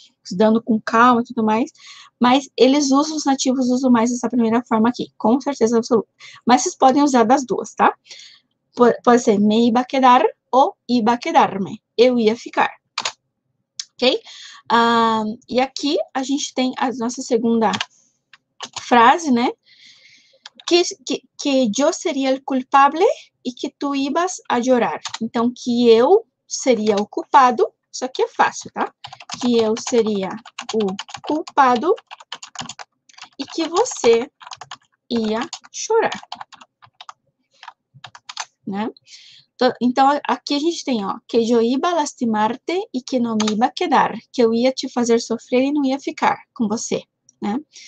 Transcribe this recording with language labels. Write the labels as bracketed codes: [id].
[pt] Estudando com calma e tudo mais, mas os nativos usam mais essa primeira forma aqui, com certeza absoluta. Mas vocês podem usar das duas, tá? Pode ser [es] me iba quedar [pt] ou [es] iba quedarme, [pt] eu ia ficar. Ok? E aqui a gente tem a nossa segunda frase, né? [es] Que yo seria el culpable e que tu ibas a llorar. [pt] Então, que eu seria o culpado, isso aqui é fácil, tá? Que eu seria o culpado e que você ia chorar, né? Então, aqui a gente tem, ó, [es] que yo iba a lastimarte y que no me iba a quedar, [pt] que eu ia te fazer sofrer e não ia ficar com você, né?